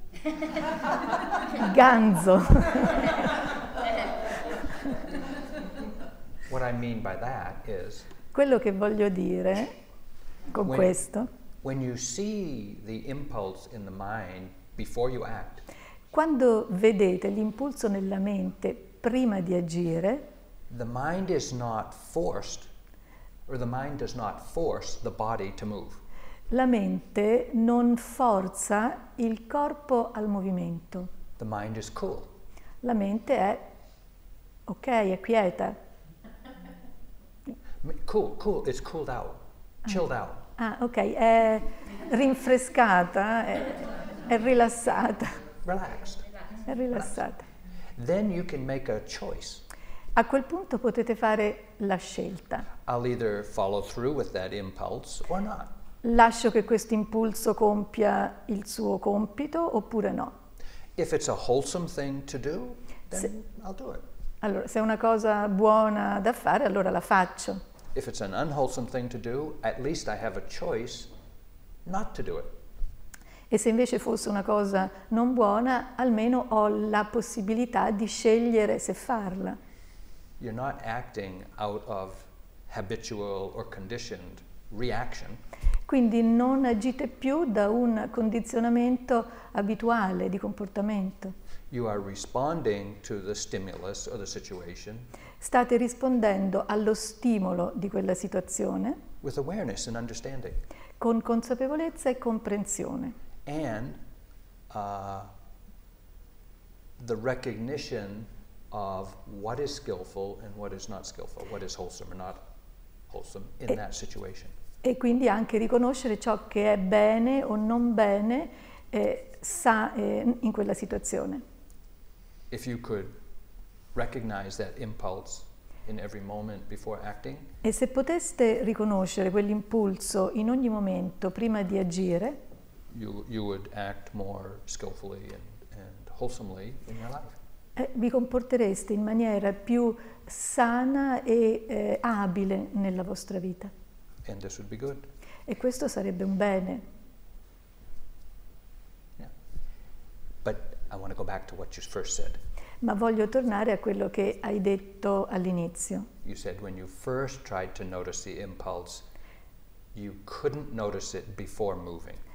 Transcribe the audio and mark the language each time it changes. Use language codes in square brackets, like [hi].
[it] Ganzo. [en] What I mean by that is [it] quello che voglio dire con questo. [en] When you see the impulse in the mind before you act. [it] Quando vedete l'impulso nella mente prima di agire, [en] the mind is not forced, or the mind does not force the body to move. [it] La mente non forza il corpo al movimento. [en] The mind is cool. [it] La mente è ok, è quieta. [en] Cool, it's cooled out, chilled out. [it] Ah, ok, è rinfrescata, è rilassata. [en] Relaxed. [it] È rilassata. [en] Then you can make a choice. [it] A quel punto potete fare la scelta. [en] I'll either follow through with that impulse or not. [it] Lascio che questo impulso compia il suo compito oppure no? [en] If it's a wholesome thing to do, then I'll do it. [it] Allora, se è una cosa buona da fare, allora la faccio. [en] If it's an unwholesome thing to do, at least I have a choice not to do it. [it] E se invece fosse una cosa non buona, almeno ho la possibilità di scegliere se farla. [en] You're not acting out of habitual or conditioned reaction. [it] Quindi non agite più da un condizionamento abituale di comportamento. [en] You are responding to the stimulus or the situation. [it] State rispondendo allo stimolo di quella situazione. [en] With awareness and understanding. [it] Con consapevolezza e comprensione. [en] And the recognition of what is skillful and what is not skillful, what is wholesome or not wholesome in that situation. [it] E quindi anche riconoscere ciò che è bene o non bene in quella situazione. [en] If you could recognize that impulse in every moment before acting, [it] e se poteste riconoscere quell'impulso in ogni momento prima di agire, [en] you would act more skillfully and wholesomely in your life. [it] Vi comportereste in maniera più sana e abile nella vostra vita. [en] And this would be good. [it] E questo sarebbe un bene. [en] Yeah. But I want to go back to what you first said. [it] Ma voglio tornare a quello che hai detto all'inizio. [en] You said when you first tried to notice the impulse, you couldn't notice it before moving.